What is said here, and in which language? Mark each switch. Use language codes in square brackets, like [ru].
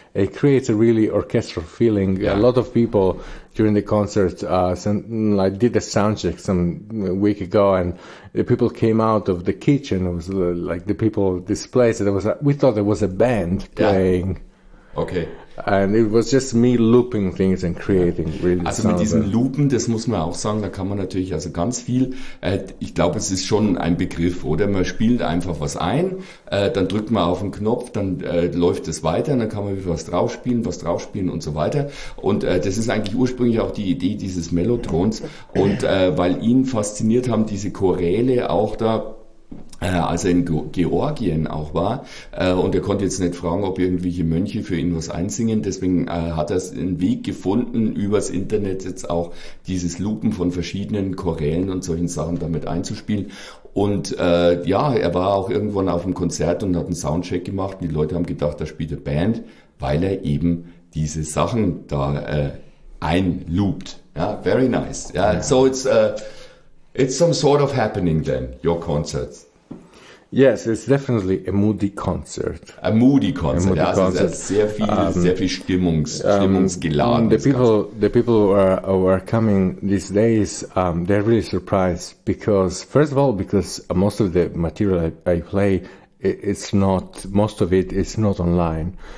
[en] It creates a really orchestral feeling. Yeah. A lot of people during the concert, I did a sound check some week ago and the people came out of the kitchen. It was like the people displaced. We thought there was a band playing. Yeah. Okay. And it was just me looping things and creating really [de] Also mit diesen Loopen, das muss man auch sagen, da kann man natürlich also ganz viel, ich glaube, es ist schon ein Begriff, oder? Man spielt einfach was ein, dann drückt man auf einen Knopf, dann läuft es weiter, dann kann man wieder was draufspielen und so weiter. Und das ist eigentlich ursprünglich auch die Idee dieses Mellotrons. Und weil ihn fasziniert haben, diese Choräle auch da, als er in Georgien auch war, und er konnte jetzt nicht fragen, ob irgendwelche Mönche für ihn was einsingen, deswegen hat er einen Weg gefunden, übers Internet jetzt auch dieses Loopen von verschiedenen Chorälen und solchen Sachen damit einzuspielen. Und ja, er war auch irgendwann auf einem Konzert und hat einen Soundcheck gemacht und die Leute haben gedacht, da spielt eine Band, weil er eben diese Sachen da einloopt. [en] Ja, very nice. Ja, so it's some sort of happening then, your concerts. Yes, it's definitely a moody concert. A moody concert. A moody concert. [de] Also sehr viel Stimmungsgeladen. [en] The people who are coming these days, they're really surprised because, first of all, because most of the material I play, most of it is not online.